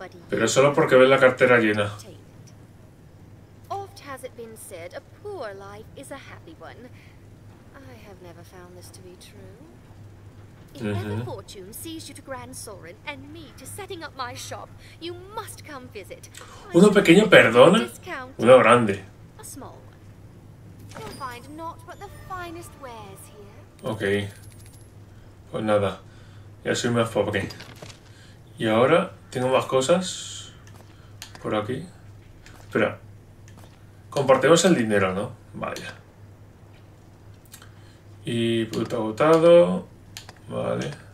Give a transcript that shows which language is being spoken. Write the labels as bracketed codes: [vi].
[es] Pero solo porque ve la cartera llena. [en] Oft has it been said, a poor life is a happy one. I have never found this to be true. If ever fortune sees you to Grand Soren and me to setting up my shop, you must come visit. [es] Uno pequeño, perdona. Uno grande. [en] A small one. You'll find not but the finest wares here. [es] Okay. Pues nada. Ya soy más pobre. Y ahora tengo más cosas por aquí. Espera. Compartimos el dinero, ¿no? Vaya. Y puto agotado. Vale.